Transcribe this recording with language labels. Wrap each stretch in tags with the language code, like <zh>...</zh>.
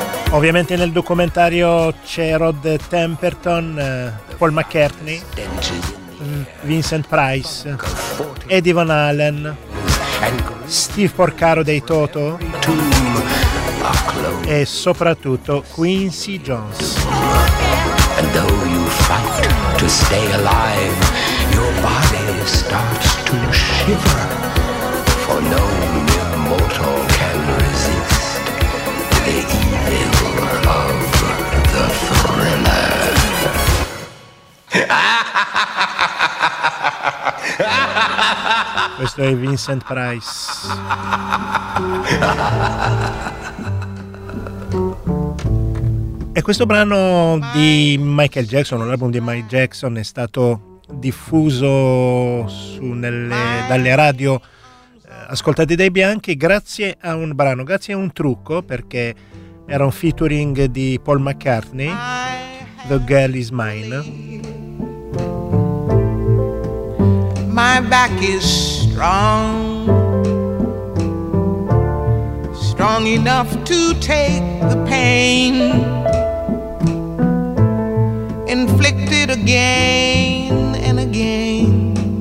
<it>Ovviamente nel documentario c'è Rod Temperton, Paul McCartney, Vincent Price, Eddie Van Halen, Steve Porcaro dei Toto e soprattutto Quincy Jones.</it> <en>And though you fight to stay alive, your body starts to shiver, for no mere mortal can resist the evil.</en> <it>Questo è Vincent Price. E questo brano di Michael Jackson, l'album di Michael Jackson, è stato diffuso dalle radio ascoltate dai bianchi grazie a un trucco, perché era un featuring di Paul McCartney, The Girl Is Mine.</it> <en>My back is strong, strong enough to take the pain inflicted again and again.</en>